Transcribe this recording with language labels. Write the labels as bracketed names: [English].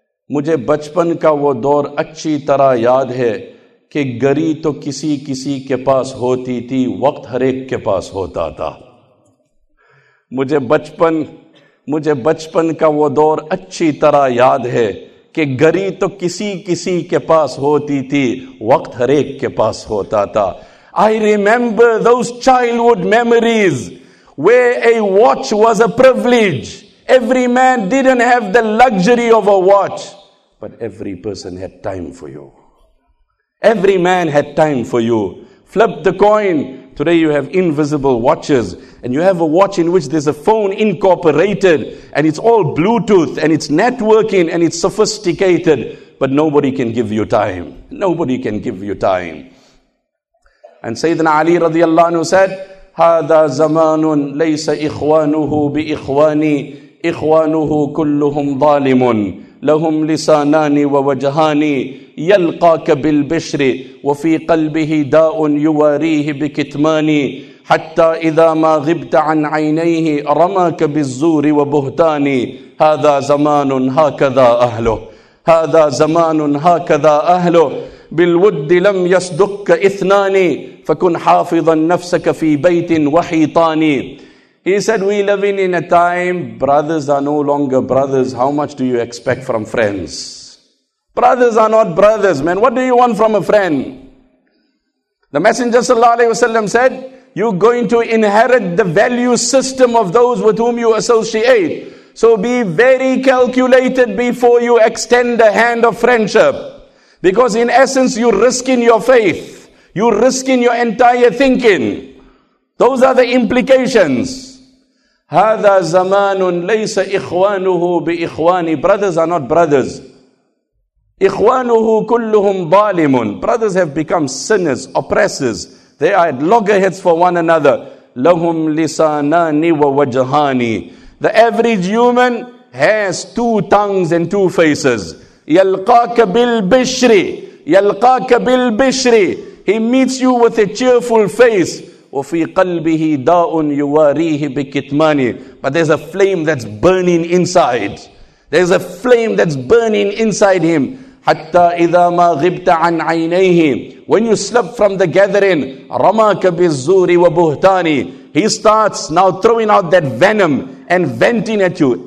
[Urdu] مجھے بچپن کا وہ دور اچھی طرح یاد ہے کہ گری تو کسی کسی کے پاس ہوتی تھی وقت ہر ایک کے پاس ہوتا تھا مجھے بچپن کا وہ دور اچھی طرح یاد ہے کہ گری تو کسی کسی کے پاس ہوتی تھی وقت ہر ایک کے پاس ہوتا تھا [English] I remember those childhood memories where a watch was a privilege. Every man didn't have the luxury of a watch. But every person had time for you. Every man had time for you. Flip the coin. Today you have invisible watches. And you have a watch in which there's a phone incorporated. And it's all Bluetooth. And it's networking. And it's sophisticated. But nobody can give you time. Nobody can give you time. And Sayyidina Ali radiallahu anhu said, [Arabic] هذا زمان ليس إخوانه بإخواني إخوانه كلهم ظالم لهم لسانان ووجهان يلقاك بالبشر وفي قلبه داء يواريه بكتمان حتى إذا ما غبت عن عينيه رماك بالزور وبهتان هذا زمان هكذا أهله هذا زمان هكذا أهله بالود لم يصدق إثنان فكن حافظا نفسك في بيت وحيطان. [English] He said, we living in a time, brothers are no longer brothers. How much do you expect from friends? Brothers are not brothers, man. What do you want from a friend? The Messenger sallallahu alaihi wasallam said, you're going to inherit the value system of those with whom you associate. So be very calculated before you extend the hand of friendship. Because in essence, you're risking your faith. You're risking your entire thinking. Those are the implications. [Arabic] هذا زمان ليس إخوانه بإخواني. [English] Brothers are not brothers. [Arabic] إخوانه كلهم ظالم. [English] Brothers have become sinners, oppressors. They are at loggerheads for one another. [Arabic] لهم لسانان ووجهاني. [English] The average human has two tongues and two faces. [Arabic] يلقاك بالبشر. يلقاك بالبشر. [English] He meets you with a cheerful face. [Arabic] وفي قلبه داء يواريه بكتمان. [English] But there's a flame that's burning inside. There's a flame that's burning inside him. [Arabic] Hatta idha ma ghibta an aynayhi. [English] When you slip from the gathering, [Arabic] ramaka bizzuri wa buhtani. [English] He starts now throwing out that venom and venting at you.